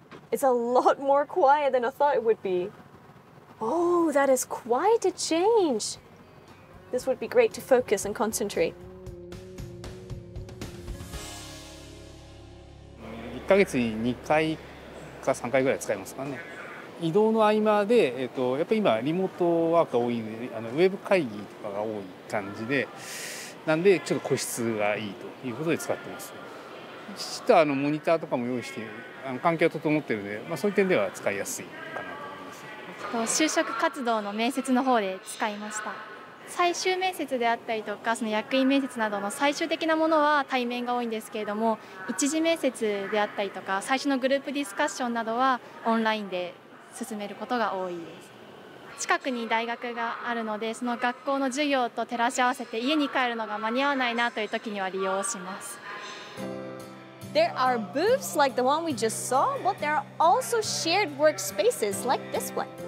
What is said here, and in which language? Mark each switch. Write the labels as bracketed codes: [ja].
[en] It's a lot more quiet than I thought it would be. Oh, that is quite a change. This would be great to focus and concentrate. [ja] 1ヶ月に2回か3回ぐらい使いますかね。移動の合間で、やっぱり今リモートワークが多いんで、ウェブ会議とかが多い感じで、なんでちょっと個室がいいということで使ってます。きちっとモニターとかも用意して、環境は整ってるんで、まあ、そういう点では使いやすいかなと思います。就職活動の面接の方で使いました。最終面接であったりとか、その役員面接などの最終的なものは対面が多いんですけれども、一次面接であったりとか、最初のグループディスカッションなどはオンラインで進めることが多いです。近くに大学があるので、その学校の授業と照らし合わせて家に帰るのが間に合わないなという時には利用します。 [en] There are booths like the one we just saw, but there are also shared workspaces like this one.